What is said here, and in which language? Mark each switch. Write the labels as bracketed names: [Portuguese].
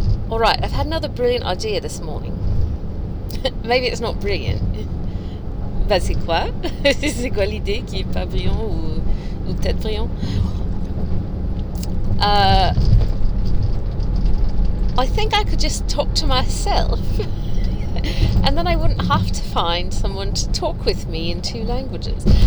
[English] All right, I've had another brilliant idea this morning. Maybe it's not brilliant. [French] Bah, c'est quoi? C'est quoi l'idée qui est pas brillant ou peut-être brillant? [English] I think I could just talk to myself. And then I wouldn't have to find someone to talk with me in two languages.